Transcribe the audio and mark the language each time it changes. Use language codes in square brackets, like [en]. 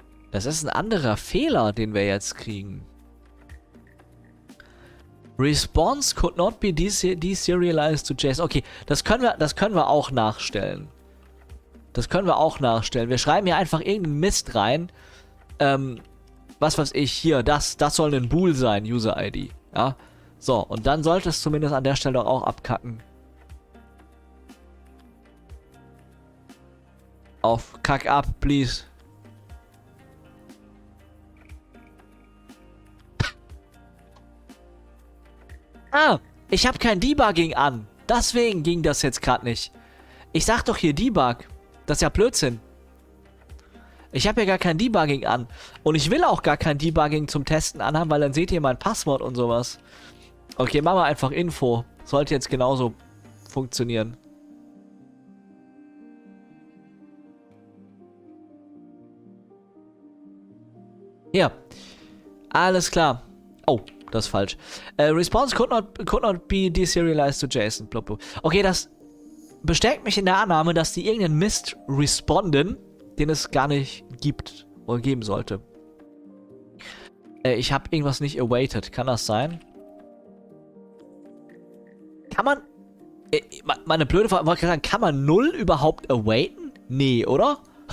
[de] Das ist ein anderer Fehler, den wir jetzt kriegen. [en] Response could not be deserialized to JSON. [de] Okay, das können wir auch nachstellen. Das können wir auch nachstellen. Wir schreiben hier einfach irgendeinen Mist rein. Was weiß ich, hier, das soll ein Bool sein, User-ID. Ja? So, und dann sollte es zumindest an der Stelle auch abkacken. Auf kack ab, please. Ah, ich habe kein Debugging an. Deswegen ging das jetzt gerade nicht. Ich sag doch hier Debug. Das ist ja Blödsinn. Ich habe ja gar kein Debugging an. Und ich will auch gar kein Debugging zum Testen anhaben, weil dann seht ihr mein Passwort und sowas. Okay, machen wir einfach Info. Sollte jetzt genauso funktionieren. Ja. Alles klar. Oh. Das ist falsch. [en] Response could not be deserialized to JSON. [de] Blub, blub. Okay, das bestärkt mich in der Annahme, dass die irgendeinen Mist responden, den es gar nicht gibt oder geben sollte. Ich habe irgendwas nicht awaited. Kann das sein? Kann man... meine blöde Frage, wollte ich sagen, kann man 0 überhaupt awaiten? Nee, oder?